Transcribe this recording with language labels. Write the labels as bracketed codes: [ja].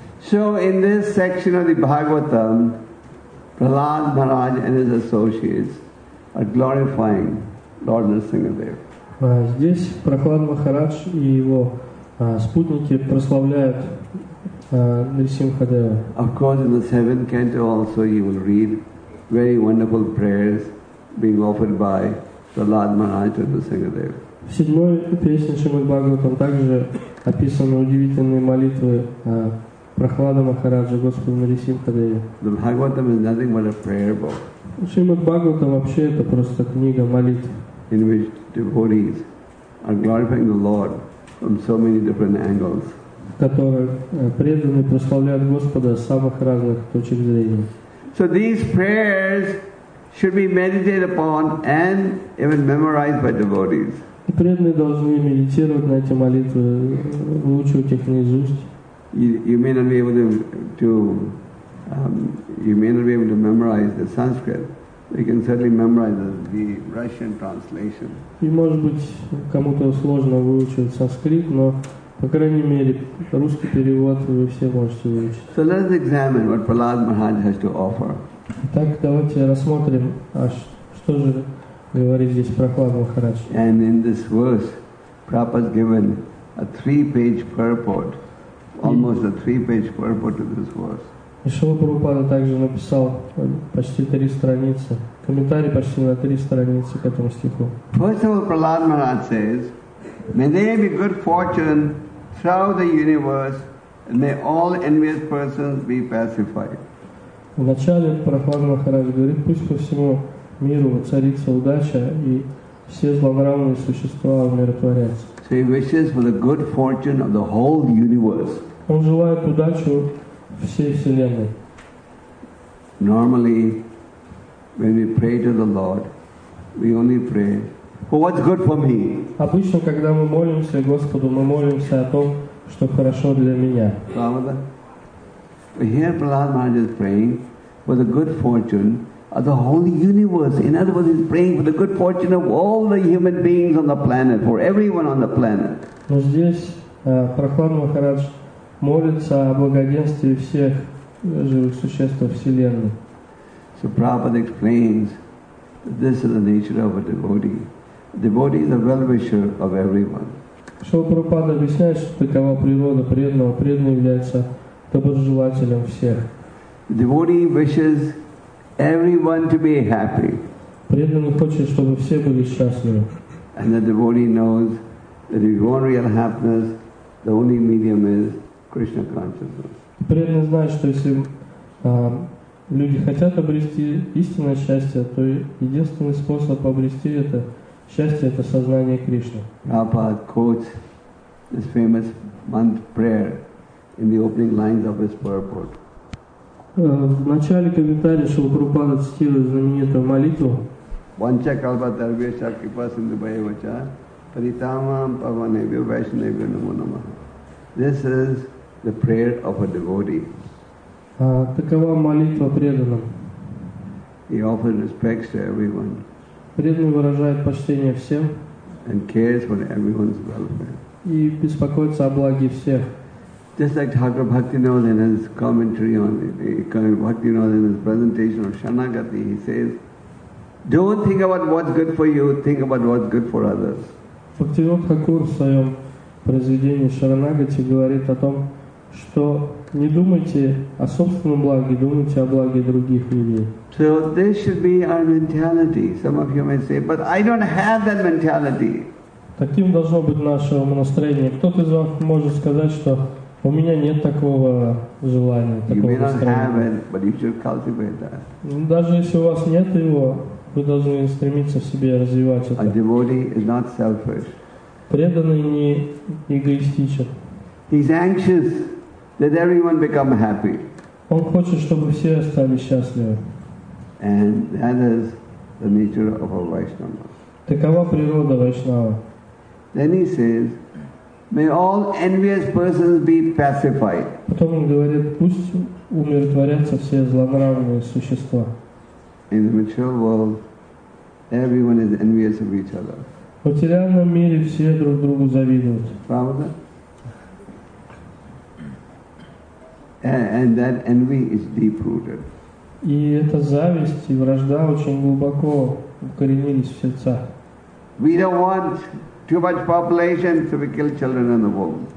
[en] So in this section of the Bhagavatam, Prahlad Maharaj and his associates are glorifying Lord Nrsimhadeva. [ru] Здесь Прохлад Махарадж и его спутники прославляют Нарсимхадева. [en] Of course, in the seventh canto also you will read very wonderful prayers being offered by Prahlad Maharaj to Nrsimhadeva. [ru] В седьмой песне Шримад Бхагаватам также описаны удивительные молитвы Прохлада Махараджа Господу Нарсимхадеве. [en] The Bhagavatam is nothing but a prayer book. [ru] Шримад Бхагаватам вообще это просто книга молитв. [en] In which devotees are glorifying the Lord from so many different angles. [ru] Которые преданные прославляют Господа с самых разных точек зрения. [en] So these prayers should be meditated upon and even memorized by devotees. [ru] Преданные должны медитировать на эти молитвы, выучивать их наизусть. [en] You may not be able to memorize the Sanskrit. We can certainly memorize the Russian translation. [ru] И может быть кому-то сложно выучить санскрит, но по крайней мере русский перевод вы все можете выучить. [en] So let's examine what Prahlad Maharaj has to offer. [ru] Итак, давайте рассмотрим, что же говорит здесь Прохлад Махарадж. [en] And in this verse, Prabhupada has given a three-page purport, almost a three-page purport to this verse. [ru] И Шрила Прабхупада также написал почти три страницы, комментарий почти на три страницы к этому стиху. [en] First of all, Prahlad Maharaj says, may there be good fortune throughout the universe, and may all envious persons be pacified. [ru] Вначале Прохлад Махарадж говорит, пусть по всему миру царится удача, и все злонравные существа умиротворятся. [en] So he wishes for the good fortune of the whole universe. [ru] Он желает удачу всей вселенной. [en] Normally, when we pray to the Lord, we only pray for what's good for me. [ru] Обычно, когда мы молимся Господу, мы молимся о том, что хорошо для меня. [en] But here, Prahlad Maharaj is praying for the good fortune the whole universe. In other words, he's praying for the good fortune of all the human beings on the planet, for everyone on the planet. [ru] Но здесь Прохлад Махарадж молится о благоденствии всех живых существ Вселенной. [en] So Prabhupada explains that this is the nature of a devotee. A devotee is a well-wisher of everyone. [ru] Шрила Прабхупада объясняет, что такова природа преданного. Преданный является доброжелателем всех. [en] The devotee wishes everyone to be happy. [ru] Преданный хочет, чтобы все были счастливы. [en] And the devotee knows that if you want real happiness, the only medium is Krishna consciousness. [ru] Преданный знает, что если люди хотят обрести истинное счастье, то единственный способ обрести это счастье – это сознание Кришны. [en] Prabhupada quotes this famous mantra prayer in the opening lines of his purport. [ru] В начале комментария Шрила Прабхупада цитирует знаменитую молитву. [sa] Vancha kalpa tarvesha kripa sindhu bhayavacha paritamam pavanevyo vaishnevyo namo namaha. [en] This is the prayer of a devotee. [ru] Такова молитва преданным. [en] He offers respects to everyone. [ru] Преданный выражает почтение всем. [en] And cares for everyone's welfare. [ru] И беспокоится о благе всех. [en] Just like Thakur Bhaktivinoda in his commentary on Bhaktivinoda in his presentation of Shanagati, he says, "Don't think about what's good for you. Think about what's good for others." [ru] Bhaktivinoda Thakur в своем произведении Шаранагати говорит о том, что не думайте о собственном благе, думайте о благе других людей. [en] So this should be our mentality. Some of you may say, but I don't have that mentality. [ru] Таким должно быть наше настроение. Кто-то из вас может сказать, что у меня нет такого желания, такого настроения. [en] You may not have it, but you should cultivate that. [ru] Даже если у вас нет его, вы должны стремиться в себе развивать это. [en] A devotee is not selfish. [ru] Преданный не эгоистичен. [en] He's anxious that everyone become happy. [ru] Он хочет, чтобы все стали счастливы. [en] And that is the nature of a Vaishnava. [ru] Такова природа Вайшнава. [en] Then he says, may all envious persons be pacified. [ru] Потом он говорит, пусть умиротворятся все злонравные существа. [en] In the material world, everyone is envious of each other. [ru] В материальном мире все друг другу завидуют. Правда? [en] And that envy is deep-rooted. [ru] И эта зависть и вражда очень глубоко укоренились в сердца. [en] We don't want too much population, so we kill children in the womb.